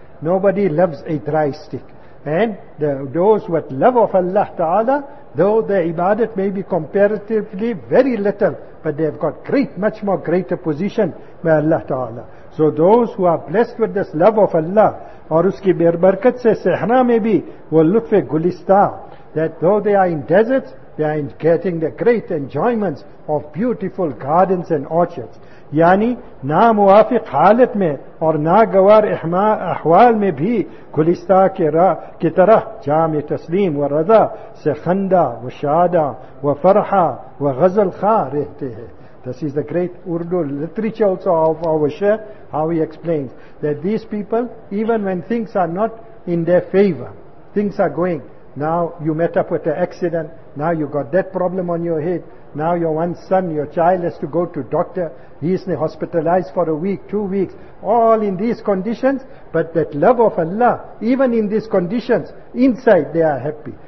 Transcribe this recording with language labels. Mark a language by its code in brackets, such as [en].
[en] Nobody loves a dry stick. And those with love of Allah Ta'ala, though their ibadat may be comparatively very little, but they have got great, much more greater position by Allah Ta'ala. So those who are blessed with this love of Allah, [ur] aur uski barkat se sehra mein bhi, wo lutf-e gulista, [en] that though they are in deserts, they are getting the great enjoyments of beautiful gardens and orchards. [ur] یعنی نہ موافق حالت میں اور ناگوار احوال میں بھی گلستہ کے راہ کی طرح جام تسلیم و رضا سے خندہ و شادہ و فرحہ و غزل خواہ رہتے ہیں. [en] This is the great Urdu literature also of our Shaykh, how he explains that these people, even when things are not in their favor, things are going, now you met up with an accident, now you got that problem on your head, now your one son, your child has to go to doctor, he is hospitalized for a week, 2 weeks, all in these conditions, but that love of Allah, even in these conditions, inside they are happy.